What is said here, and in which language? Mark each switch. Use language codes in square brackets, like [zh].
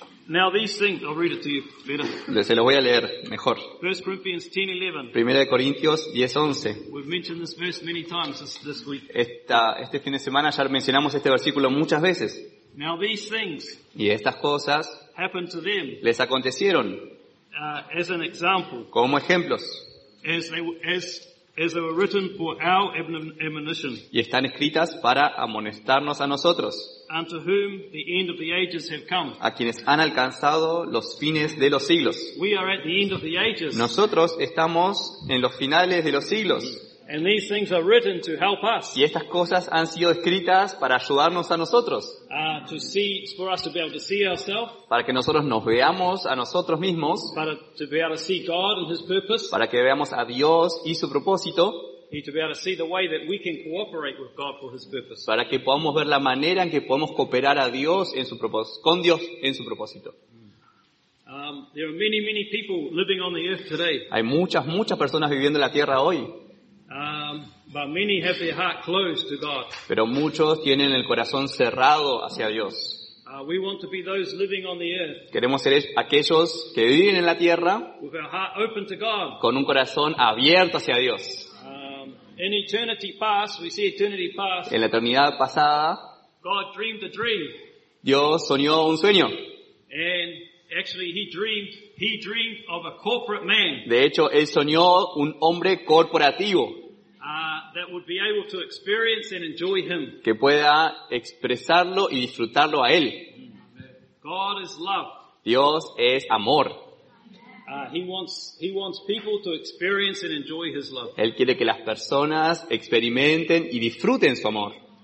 [en] Now these things, I'll read it to you better. [es] Se lo voy a leer mejor. [en] 1 Corinthians 10:11. [es] 1 Corintios 10:11. [en] We've mentioned this verse many times this week. [es] Este fin de semana ya mencionamos este versículo muchas veces. [en] Now these things. [es] Y estas cosas. [en] Happened to them. [es] Les acontecieron. [en] As an example. [es] Como ejemplos. [en] As they were written for our admonition. [es] Y están escritas para amonestarnos a nosotros. [en] Unto whom the end of the ages have come. [es] A quienes han alcanzado los fines de los siglos. [en] We are at the end of the ages. [es] Nosotros estamos en los finales de los siglos. [en] And these things are written to help us. [es] Y estas cosas han sido escritas para ayudarnos a nosotros. [en] For us to be able to see ourselves. [es] Para que nosotros nos veamos a nosotros mismos. [en] To be able to see God and His purpose. [es] Para que veamos a Dios y su propósito. [en] And to be able to see the way that we can cooperate with God for His purpose. [es] Para que podamos ver la manera en que podemos cooperar a Dios en su propósito, con Dios en su propósito. [en] There are many, many people living on the earth today. [es] Hay muchas personas viviendo en la tierra hoy. [en] But many have their heart closed to God. [es] Pero muchos tienen el corazón cerrado hacia Dios. [en] We want to be those living on the earth. [es] Queremos ser aquellos que viven en la tierra. [en] With our heart open to God. [es] Con un corazón abierto hacia Dios. [en] In eternity past, we see eternity past. [es] En la eternidad pasada. [en] God dreamed a dream. [es] Dios soñó un sueño. [en] And actually, he dreamed of a corporate man. [es] De hecho, él soñó un hombre corporativo. [en] That would be able to experience and enjoy him. [es] Que pueda expresarlo y disfrutarlo a él. [en] God is love. [es] Dios es amor. [en] He wants people to experience and enjoy his love. [es] Él quiere que las personas experimenten y disfruten su amor.